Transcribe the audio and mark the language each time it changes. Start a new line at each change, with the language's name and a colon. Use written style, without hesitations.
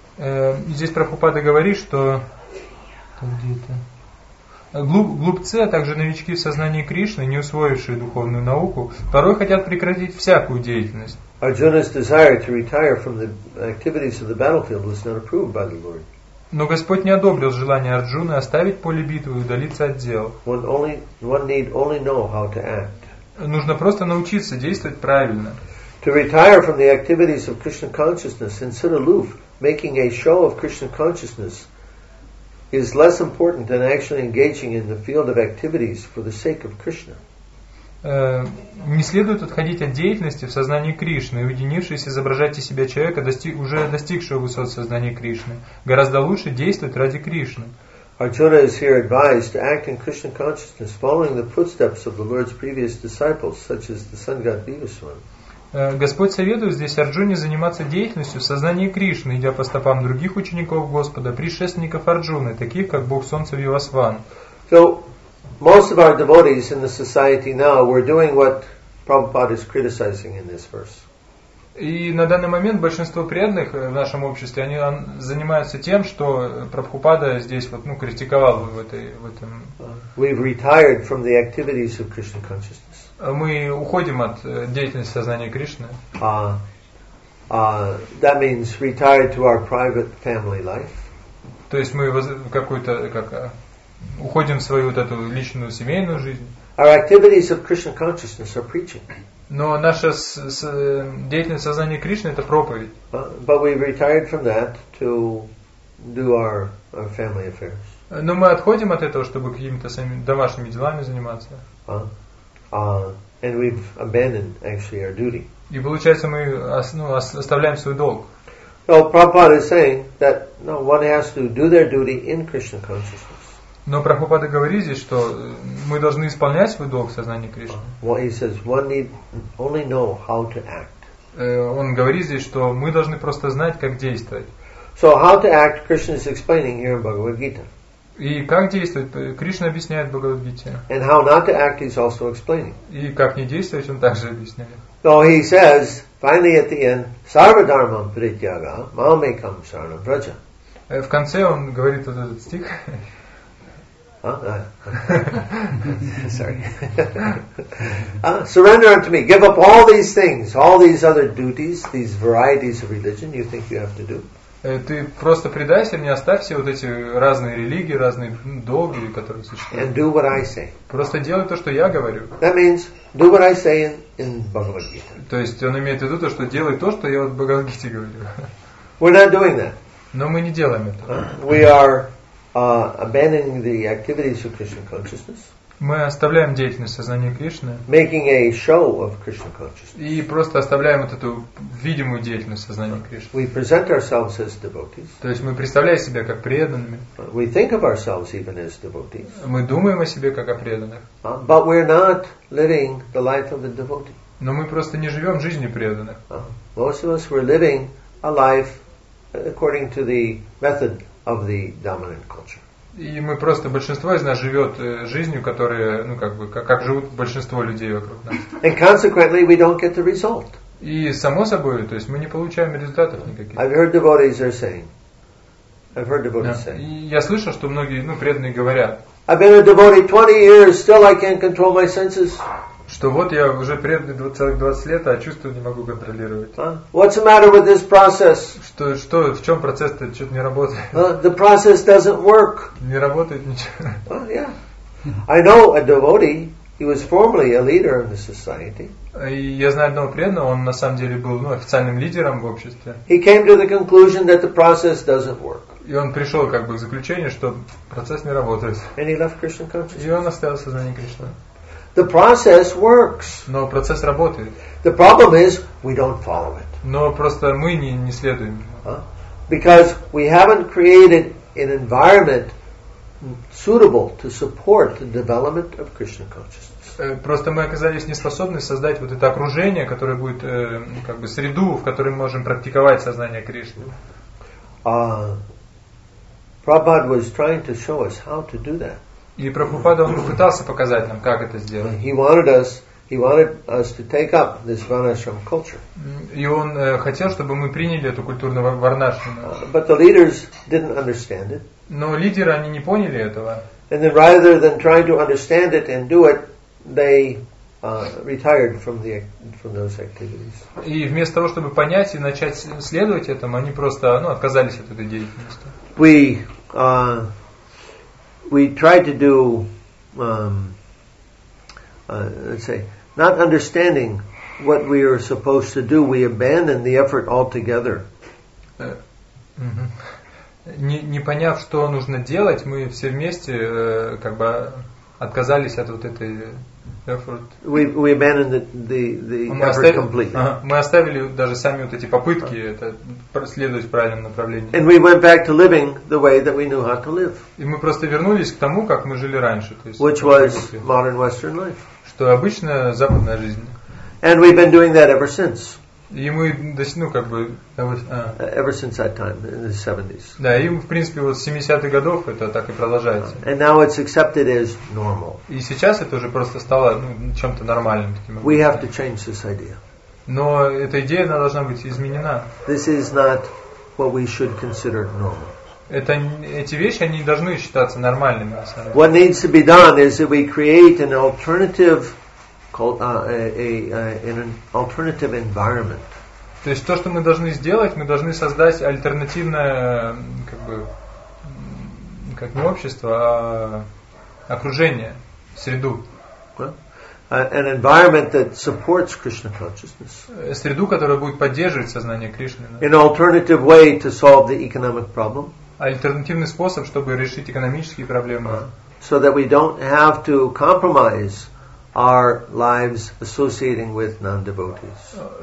Russian: Здесь Прабхупада говорит, что глупцы, а также новички в сознании Кришны, не усвоившие духовную науку, порой хотят прекратить всякую деятельность.
English: Arjuna's desire to retire from the activities of the battlefield was not approved by the Lord.
Russian: Но Господь не одобрил желание Арджуны оставить поле битвы и удалиться от дел.
English: One need only know how to act.
Russian: Нужно просто научиться действовать правильно.
English: To retire from the activities of Krishna consciousness and sit aloof, making a show of Krishna consciousness, is less important than actually engaging in the field of activities for the sake of Krishna.
Russian: Не следует отходить от деятельности в сознании Кришны, и уединившись, изображать из себя человека, уже достигшего высот сознания Кришны. Гораздо лучше действовать ради Кришны.
English: Arjuna is here advised to act in Krishna consciousness, following the footsteps of the Lord's previous disciples, such as the sun god Bhivaswan.
Russian: Господь советует здесь Арджуне заниматься деятельностью в сознании Кришны, идя по стопам других учеников Господа, предшественников Арджуны, таких как Бог Солнца Бхивасван.
English: So, most of our devotees in the society now were doing what Prabhupada is criticizing in this verse.
Russian: И на данный момент большинство преданных в нашем обществе они занимаются тем, что Прабхупада здесь вот, ну, критиковал в этой, в этом.
English: We've retired from the activities of Krishna consciousness.
Russian: Мы уходим от деятельности сознания Кришны.
English: That means retire to our private family life.
Russian: То есть мы уходим в свою вот эту личную семейную жизнь.
English: Our activities of Krishna consciousness are preaching.
Russian: Но наша деятельность сознания Кришны это проповедь.
English: But we retired from that to do our family affairs.
Russian: Но мы отходим от этого, чтобы какими-то самими домашними делами заниматься.
English: And we've abandoned actually our duty.
Russian: И получается мы оставляем свой долг.
English: So Prabhupada is saying that one has to do their duty in Krishna consciousness.
Russian: Но Прабхупада говорит здесь, что мы должны исполнять свой долг в сознании Кришны.
English: Well, he says, one need only know how to act.
Russian: Он говорит здесь, что мы должны просто знать, как действовать.
English: So how to act, Krishna is explaining here in Bhagavad Gita.
Russian: И как действовать, Кришна объясняет в Бхагавад Гите.
English: And how not to act, he's also explaining.
Russian: И как не действовать, он также объясняет.
English: So he says, finally at the end,
Sanskrit: sarva-dharmam prityaga, mamekam sarnam braja.
Russian: В конце он говорит вот этот стих.
English: Surrender unto me. Give up all these things, all these other duties, these varieties of religion you think you have to do.
Russian: Ты просто предайся мне, оставь все вот эти разные религии, разные долги, которые существуют.
English: And do what I say.
Russian: Просто делай то, что я говорю.
English: That means do what I say in Bhagavad Gita.
Russian: То есть он имеет в виду то, что делай то, что я в Бхагавад Гите говорю.
English: We're not doing that.
Russian: Но мы не делаем это.
English: We are abandoning the activities of Krishna consciousness.
Russian: Мы оставляем деятельность сознания Кришны.
English: Making a show of Krishna consciousness.
Russian: И просто оставляем вот эту видимую деятельность сознания Кришны.
English: We present ourselves as devotees.
Russian: То есть мы представляем себя как преданными.
English: We think of ourselves even as devotees.
Russian: Мы думаем о себе как о преданных.
English: But we're not living the life of a devotee.
Russian: Но мы просто не живем жизнью преданных.
English: Most of us were living a life according to the method of the dominant culture.
Russian: И мы просто большинство из нас живет жизнью, которая, ну как бы, как живут большинство людей вокруг нас.
English: And consequently, we don't get the result.
Russian: И само собой, то есть мы не получаем результатов никаких.
English: I've heard devotees are saying. I've heard devotees saying.
Russian: Я слышал, что многие, ну преданные говорят.
English: I've been a devotee 20 years, still I can't control my senses.
Russian: Что вот я уже преданный целых 20 лет, а чувства не могу контролировать.
English: What's the matter with this process?
Russian: Что, в чем процесс-то, что-то не работает.
English: The process doesn't work.
Russian: Не работает ничего.
English: Yeah. I know a devotee, he was formerly a leader in the society.
Russian: Я знаю одного преданного, он на самом деле был, ну, официальным лидером в обществе.
English: He came to the conclusion that the process doesn't work.
Russian: И он пришел как бы к заключению, что процесс не работает.
English: And he left Krishna consciousness.
Russian: И он оставил сознание Кришны.
English: The process works.
Russian: Но процесс работает.
English: The problem is we don't follow it.
Russian: Но просто мы не следуем.
English: Because we haven't created an environment suitable to support the development of Krishna consciousness.
Russian: Просто мы оказались не способны создать вот это окружение, которое будет как бы среду, в которой мы можем практиковать сознание Кришны.
English: Prabhupada was trying to show us how to do that.
Russian: И Прабхупада пытался показать нам, как это сделать.
English: He wanted us to take up this Varnashram culture.
Russian: И он хотел, чтобы мы приняли эту культурную Варнашраму.
English: But the leaders didn't understand it.
Russian: Но лидеры, они не поняли этого.
English: And then rather than trying to understand it and do it, they retired from those activities.
Russian: И вместо того, чтобы понять и начать следовать этому, они просто, ну, отказались от этой деятельности.
English: We tried to do, let's say, not understanding what we are supposed to do, we abandoned the effort altogether.
Russian: Не поняв, что нужно делать, мы все вместе как бы отказались от вот этой effort.
English: We abandoned the effort completely.
Russian: Мы оставили даже сами вот эти попытки это следовать правильным направлениям.
English: And we went back to living the way that we knew how to live.
Russian: И мы просто вернулись к тому, как мы жили раньше, то есть
English: which was modern Western life.
Russian: Что обычная западная жизнь.
English: And we've been doing that ever since.
Russian: И мы до сих пор как бы
English: ever since that time in the 70s.
Russian: Да, и в принципе вот с 70-х годов это так и продолжается.
English: And now it's accepted as normal.
Russian: И сейчас это уже просто стало, ну, чем-то нормальным таким.
English: We have to change this idea.
Russian: Но эта идея она должна быть изменена.
English: This is not what we should consider normal.
Russian: Это эти вещи они должны считаться нормальными.
English: What needs to be done is that we create an alternative. Called an alternative environment.
Russian: То есть то, что мы должны сделать, мы должны создать альтернативное, как бы, как не общество, а окружение, среду.
English: An environment that supports Krishna consciousness.
Russian: Среду, которая будет поддерживать сознание Кришны.
English: An alternative way to solve the economic problem.
Russian: Альтернативный способ, чтобы решить экономические проблемы.
English: So that we don't have to compromise our lives associating with non-devotees.